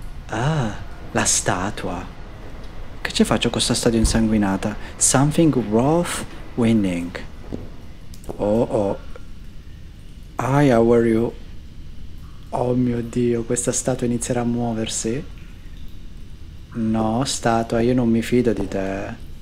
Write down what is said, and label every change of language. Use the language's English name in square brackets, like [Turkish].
[Italian] Ah, la statua. Che ci faccio con sta statua insanguinata? [English] Something worth winning. Oh oh. Hi, how are you? [Italian] Oh mio Dio, questa statua inizierà a muoversi? No, statua, io non mi fido di te.